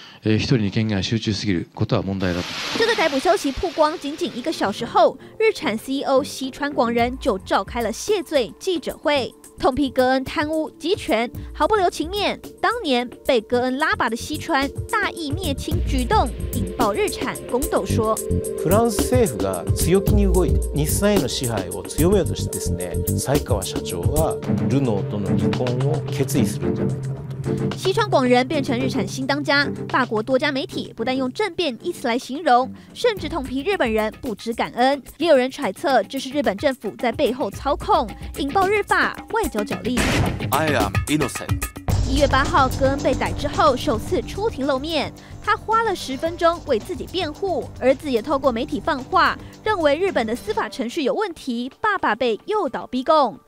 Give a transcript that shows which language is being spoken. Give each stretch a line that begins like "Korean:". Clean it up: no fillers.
Japanese: 一人に権限が集中すぎることは問題だと。
Chinese: 这个逮捕消息曝光仅仅一个小时后，日产 CEO 西川广人就召开了谢罪记者会。痛批戈恩贪污集权，毫不留情面。当年被戈恩拉拔的西川大义灭亲举动，引爆日产宫斗说。
Japanese: フランス政府が強気に動いて、日産への支配を強めようとしてですね、才川社長はルノーとの離婚を決意するんじゃないかなと。
Chinese: 西川广人变成日产新当家，法国多家媒体不但用政变一词来形容，甚至痛批日本人不知感恩。也有人揣测，这是日本政府在背后操控，引爆日法外交角力。
English: I am innocent。
Chinese: 1月8号，戈恩被逮之后首次出庭露面，他花了10分钟为自己辩护，儿子也透过媒体放话，认为日本的司法程序有问题，爸爸被诱导逼供。